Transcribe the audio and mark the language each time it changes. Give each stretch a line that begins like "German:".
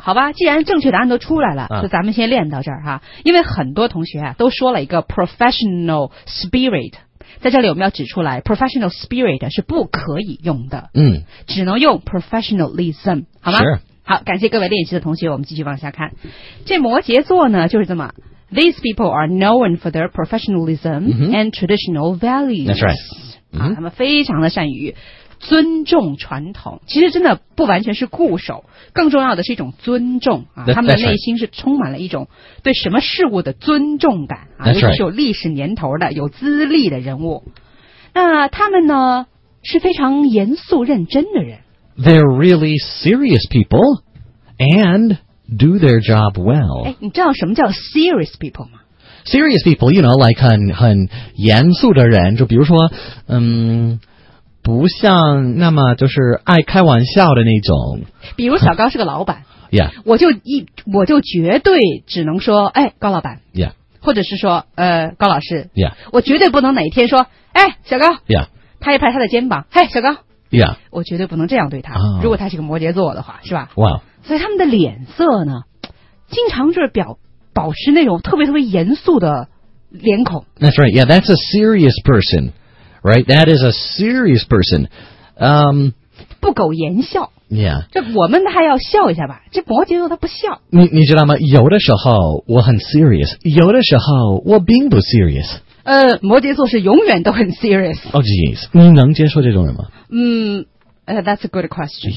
Chinese: 好吧，既然正确答案都出来了，就咱们先练到这儿哈。因为很多同学啊都说了一个 professional spirit， 在这里我们要指出来 ，professional spirit 是不可以用的，嗯，只能用 professionalism， 好吗？好，感谢各位练习的同学，我们继续往下看。这摩羯座呢就是这么。
English: These people are known for their professionalism、mm-hmm. and traditional values. That's right.、Mm-hmm.
Chinese: 啊、他们非常的善于尊重传统。其实真的不完全是固守，更重要的是一种尊重、啊、他们的内心是充满了一种对什么事物的尊重感、啊、尤其是有历史年头的、有资历的人物。那他们呢是非常严肃认真的人。
English: They're really serious people and... Do their job well.
Chinese: 哎，你知道什么叫 serious people 吗？
English: Serious people, you know, like
Chinese: 很严肃的人，就比如说，嗯，不像那么就是爱开玩笑的那种。比如小高是个老板。
English: Yeah.
Chinese: 我就绝对只能说，哎，高老板。
English: Yeah.
Chinese: 或者是说，高老师。
English: Yeah.
Chinese: 我绝对不能哪一天说，哎，小高。
English: Yeah.
Chinese: 拍一拍他的肩膀，嘿，小高。
English: Yeah.
Chinese: 我绝对不能这样对他、
English: oh.
Chinese: 如果他是个摩羯座的话，是吧？哇、wow. 所以他们的脸色呢经常就是保持那种特别特别严肃的脸孔。
English: That's right, yeah, that's a serious person, right? That is a serious person.、
Chinese: 不苟言笑。
English: Yeah.
Chinese: 这我们还要笑一下吧，这摩羯座他不笑。你知道吗，有的时候我很 serious, 有的时候我并不 serious。摩羯座是永远都很 serious。
English: Oh, geez,
Chinese: 你能接受这种人吗？
English: 嗯、that's a good question.